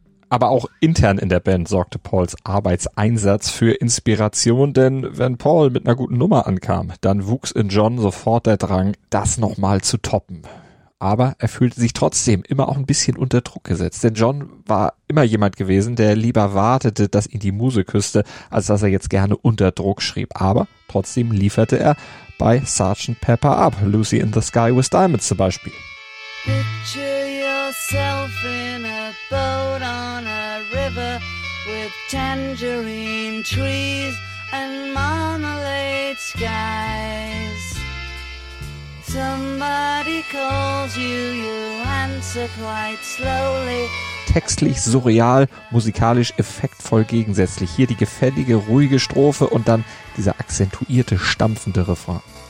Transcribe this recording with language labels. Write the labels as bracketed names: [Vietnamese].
[German] Aber auch intern in der Band sorgte Pauls Arbeitseinsatz für Inspiration, denn wenn Paul mit einer guten Nummer ankam, dann wuchs in John sofort der Drang, das nochmal zu toppen. Aber er fühlte sich trotzdem immer auch ein bisschen unter Druck gesetzt, denn John war immer jemand gewesen, der lieber wartete, dass ihn die Muse küsste, als dass er jetzt gerne unter Druck schrieb. Aber trotzdem lieferte er bei Sgt. Pepper ab, Lucy in the Sky with Diamonds zum Beispiel. [English] Picture yourself in a boat on a river with tangerine trees and marmalade skies. Somebody calls you, you answer quite slowly. [German] Textlich surreal, musikalisch effektvoll gegensätzlich. Hier die gefällige, ruhige Strophe und dann dieser akzentuierte, stampfende Refrain.